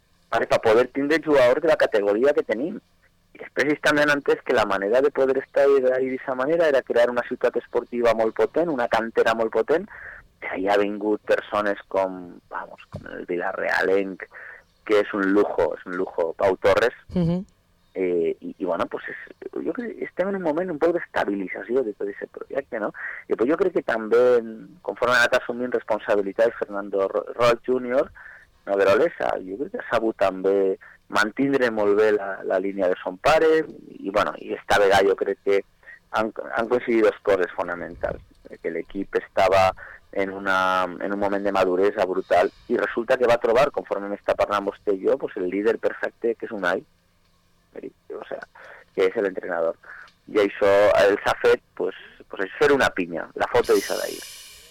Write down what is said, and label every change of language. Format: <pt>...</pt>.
<ca>Per a poder tindre jugadors de la categoria que tenim. I després, també antes, que la manera de poder estar ahí d'aquesta manera era crear una ciutat esportiva molt potent, una cantera molt potent, que ahí ha vingut persones com, vamos, com el Villarreal Enc, que és un lujo, Pau Torres,</ca> <es>Y bueno, pues es, yo creo que está en un momento un poco de estabilización de todo ese proyecto, ¿no? Y pues yo creo que también, conforme está asumiendo responsabilidades Fernando Roig Jr., no, de Olesa, yo creo que ha sabido también</es> <ca>mantindre molt bé la línia de son pare, i bueno, i esta vegada jo crec que han coincidit dos coses fonamentals, que l'equip estava en un moment de maduresa brutal, i resulta que va trobar, conforme m'està parlant vostè i jo, pues el líder perfecte, que és Unai, o sea, que és l'entrenador, i això els ha fet, pues és fer una pinya, la foto d'això d'ahir.</ca>